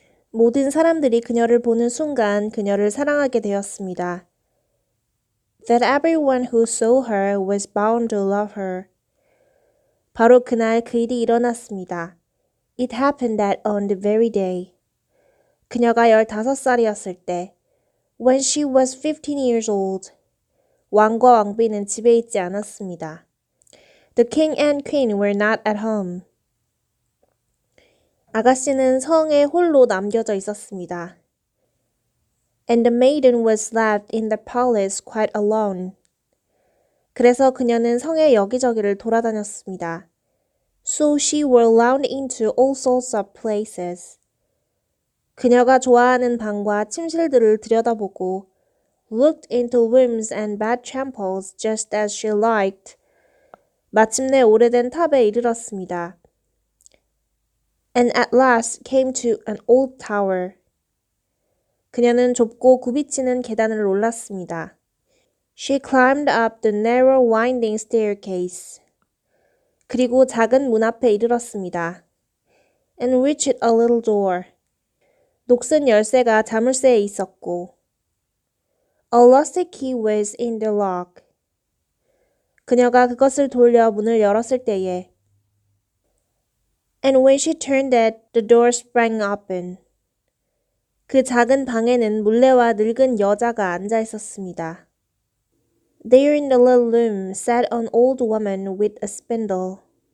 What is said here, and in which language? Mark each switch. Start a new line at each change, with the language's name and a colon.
Korean: 모든 사람들이 그녀를 보는 순간 그녀를 사랑하게 되었습니다.
English: That everyone who saw her was bound to love her.
Korean: 바로 그날 그 일이 일어났습니다.
English: It happened that on the very day.
Korean: 그녀가 15살이었을 때,
English: When she was 15 years old.
Korean: 왕과 왕비는 집에 있지 않았습니다.
English: The king and queen were not at home.
Korean: 아가씨는 성에 홀로 남겨져 있었습니다.
English: And the maiden was left in the palace quite alone.
Korean: 그래서 그녀는 성에 여기저기를 돌아다녔습니다.
English: So she were round into all sorts of places.
Korean: 그녀가 좋아하는 방과 침실들을 들여다보고
English: looked into rooms and bedchambers just as she liked.
Korean: 마침내 오래된 탑에 이르렀습니다.
English: And at last came to an old tower.
Korean: 그녀는 좁고 굽이치는 계단을 올랐습니다.
English: She climbed up the narrow winding staircase.
Korean: 그리고 작은 문 앞에 이르렀습니다.
English: And reached a little door.
Korean: 녹슨 열쇠가 자물쇠에 있었고
English: A rusty key was in the lock.
Korean: 그녀가 그것을 돌려 문을 열었을 때에
English: And when she turned it, the door sprang open.
Korean: 그 작은 방에는 물레와 늙은 여자가 앉아 있었습니다.
English: There in the little room sat an old woman with a spindle.